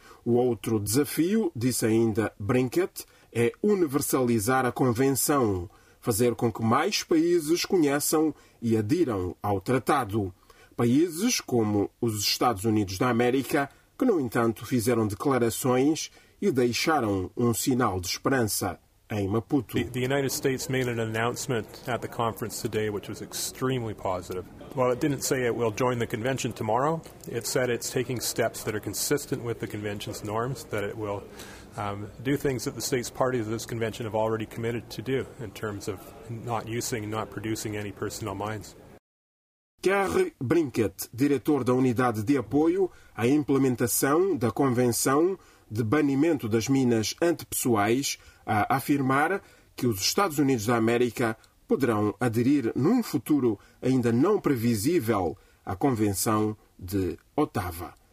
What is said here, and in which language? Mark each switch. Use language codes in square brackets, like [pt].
[pt] O outro desafio, disse ainda Brinkett, é universalizar a convenção, fazer com que mais países conheçam e adiram ao tratado. Países como os Estados Unidos da América, que, no entanto, fizeram declarações e deixaram um sinal de esperança em Maputo. [en] The United States made an announcement at the conference today, which was extremely positive. Well, it didn't say it will join the convention tomorrow. It said it's taking steps that are consistent with the convention's norms, that it will do things that the states parties of this convention have already committed to do in terms of not using and not producing any personal mines. [pt] Kerry Brinkett, diretor da Unidade de Apoio à Implementação da Convenção de Banimento das Minas Antipessoais, a afirmar que os Estados Unidos da América poderão aderir num futuro ainda não previsível à Convenção de Ottawa.